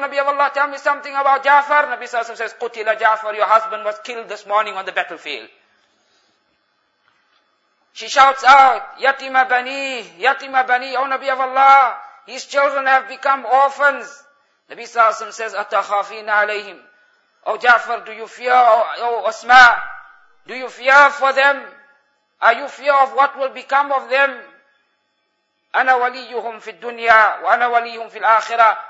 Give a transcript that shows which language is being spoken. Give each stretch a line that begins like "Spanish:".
English: Nabi of Allah, tell me something about Ja'far. Nabi Sassam says,
Arabic: قُتِلَ جَعْفَرْ.
English: Your husband was killed this morning on the battlefield. She shouts out,
Arabic: يَتِمَ بَنِيهِ يَتِمَ بَنِيهِ.
English: O Nabi of Allah, his children have become orphans. Nabi Sassam says,
Arabic: أَتَخَافِينَ عَلَيْهِمْ.
English: O Ja'far, do you fear, O Asma, do you fear for them? Are you fear of what will become of them?
Arabic: أَنَا وَلِيُّهُمْ فِي الدُّنْيَا وَأَنَا وَلِيُّهُمْ فِي الْآخِرَةِ.